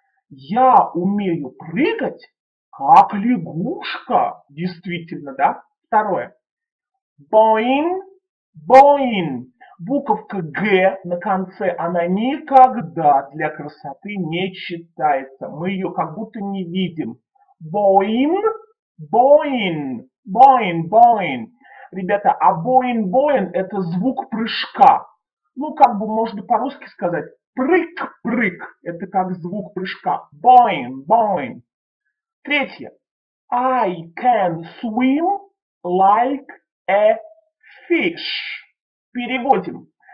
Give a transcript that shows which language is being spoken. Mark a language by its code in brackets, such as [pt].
[ru] Я умею прыгать, как лягушка. Действительно, да? Второе. Boing, boing. Буковка Г на конце, она никогда для красоты не читается. Мы ее как будто не видим. Boing, boing, boing, boing. Ребята, а boing, boing – это звук прыжка. Ну, как бы можно по-русски сказать. Прыг, прыг. Это как звук прыжка. Boing, boing. Третье. [en] I can swim like a fish. [ru] Переводим.